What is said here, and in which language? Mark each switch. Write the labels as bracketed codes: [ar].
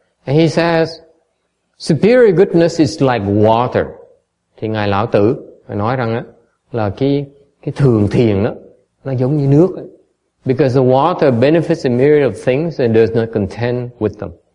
[en] And he says, superior goodness is like water. [vi] Thì ngài Lão Tử nói rằng là cái thường thiền đó nó giống như nước ấy. [en] Because the water benefits a myriad of things and does not contend with them.